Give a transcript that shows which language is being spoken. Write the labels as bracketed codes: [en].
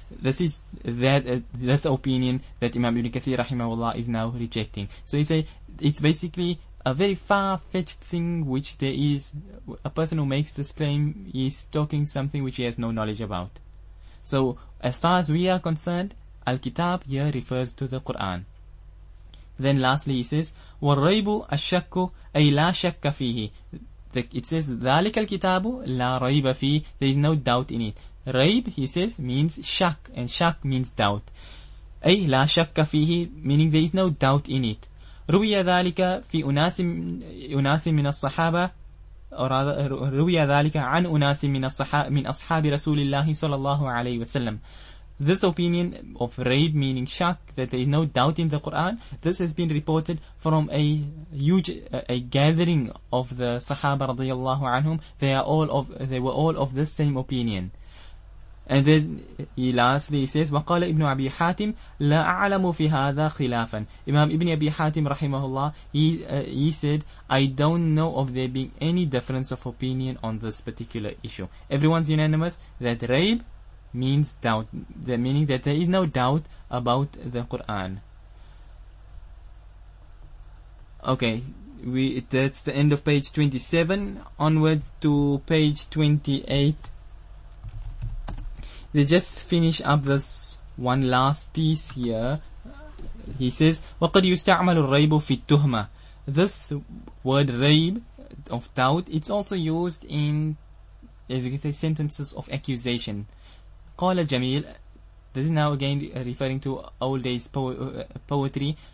[en] This is that opinion that Imam Ibn Kathir, rahimahullah, is now rejecting. So they say, it's basically a very far-fetched thing which there is, a person who makes this claim is talking something which he has no knowledge about. So, as far as we are concerned, Al-Kitab here refers to the Qur'an. Then lastly he says, [ar] وَالْرَيْبُ أَشَّكُّ أَيْ لَا شَكَّ فِيهِ. [en] It says, [ar] ذَلِكَ الْكِتَابُ لَا رَيْبَ فِيهِ. [en] There is no doubt in it. Rayb, he says, means shak, and shak means doubt. [ar] أَيْ لَا شَكَّ فِيهِ, [en] meaning there is no doubt in it. [ar] رُوِيَ ذَلِكَ فِي أُنَاسٍ مِنَ الصَّحَابَةِ [en] or rather, [ar] رُوِيَ ذَلِكَ عَنْ أُنَاسٍ مِنَ أَصْحَابِ رَسُولِ اللَّهِ صَلَى اللَّهُ عَلَيْهِ وَسَلَّمْ. [en] This opinion of raid, meaning shak, that there is no doubt in the Qur'an, this has been reported from a huge, a gathering of the Sahaba radiyallahu anhum. They were all of this same opinion. And then he lastly says, [ar] وَقَالَ إِبْنُ أَبِي حَاتِمٍ لَا أَعْلَمُ فِي هَذَا خِلَافًا. [en] Imam Ibn Abi Hatim, rahimahullah, he said, I don't know of there being any difference of opinion on this particular issue. Everyone's unanimous that rayb means doubt, the meaning that there is no doubt about the Quran. Okay, that's the end of page 27. Onwards to page 28. They just finish up this one last piece here. He says, [ar] وَقَدْ يُسْتَعْمَلُ الرَّيْبُ فِي التُّهْمَةِ. [en] This word rayb, of doubt, it's also used in, as you can say, sentences of accusation. قَالَ Jamil, this is now again referring to old days poetry.